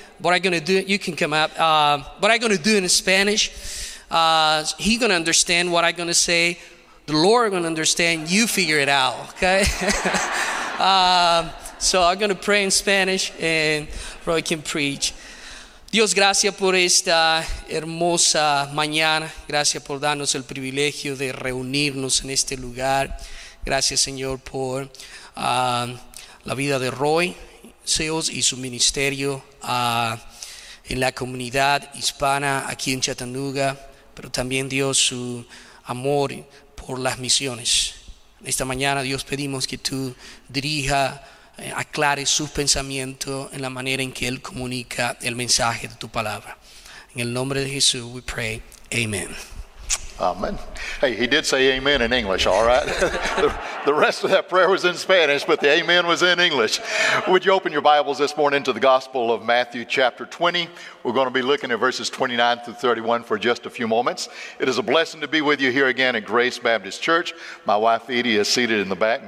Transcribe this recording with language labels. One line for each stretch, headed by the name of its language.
English: What I'm gonna do, you can come up. What I'm gonna do in Spanish, he's gonna understand what I'm gonna say. The Lord gonna understand, you figure it out, okay? So I'm gonna pray in Spanish and Roy can preach.
Spanish: Dios, gracias por esta hermosa mañana. Gracias por darnos el privilegio de reunirnos en este lugar. Gracias, Señor, por la vida de Roy Seals y su ministerio en la comunidad hispana aquí en Chattanooga, pero también, Dios, su amor por las misiones. Esta mañana, Dios, pedimos que tú dirija, aclare su pensamiento en la manera en que él comunica el mensaje de tu palabra. En el nombre de Jesús,
English: we pray,
Spanish: amen.
English: Amen. Hey, he did say amen in English, all right? The rest of that prayer was in Spanish, but the amen was in English. Would you open your Bibles this morning to the Gospel of Matthew chapter 20? We're going to be looking at verses 29 through 31 for just a few moments. It is a blessing to be with you here again at Grace Baptist Church. My wife Edie is seated in the back.